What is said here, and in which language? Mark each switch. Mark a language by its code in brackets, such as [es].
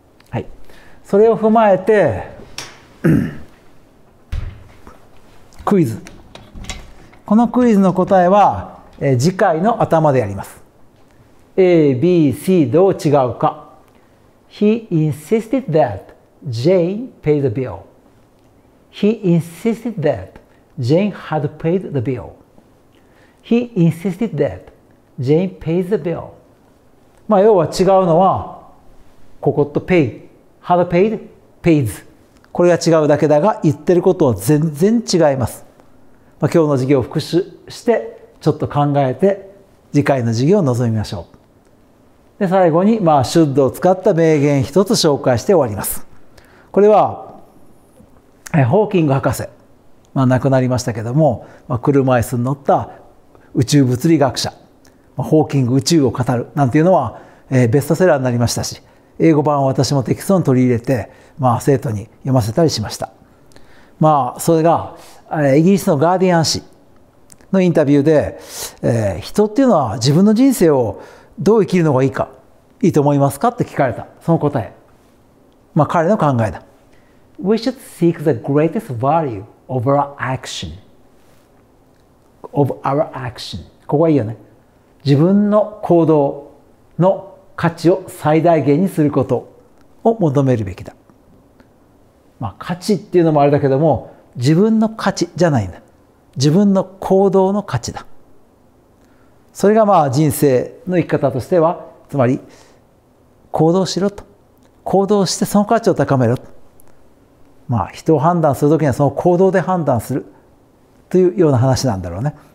[ja] はい、それを踏まえてクイズ、このクイズの答えは次回の頭でやります。 A、B、C どう違うか。 [en] He insisted that Jane paid the bill. He insisted that Jane had paid the bill. He insisted that Jane paid the bill. [ja] まあ要は違うのはここと pay、 had paid、 pays、 これが違うだけだが言ってることは全然違います。まあ、今日の授業を復習してちょっと考えて次回の授業を臨みましょう。で最後に、まあ、シュッドを使った名言一つ紹介して終わります。これはホーキング博士、まあ、亡くなりましたけども、まあ、車椅子に乗った宇宙物理学者、まあ、ホーキング宇宙を語るなんていうのは、ベストセラーになりましたし、英語版を私もテキストに取り入れて、まあ、生徒に読ませたりしました。まあそれがイギリスのガーディアン紙のインタビューで、人っていうのは自分の人生をどう生きるのがいいか、いいと思いますかって聞かれた。その答え、まあ彼の考えだ。 [en] We should seek the greatest value of our action. Of our action. [ja] ここはいいよね。自分の行動の価値を最大限にすることを求めるべきだ。まあ価値っていうのもあれだけども、自分の価値じゃないんだ。自分の行動の価値だ。それがまあ人生の生き方としては、つまり行動しろと、行動してその価値を高めろと、まあ人を判断するときにはその行動で判断するというような話なんだろうね。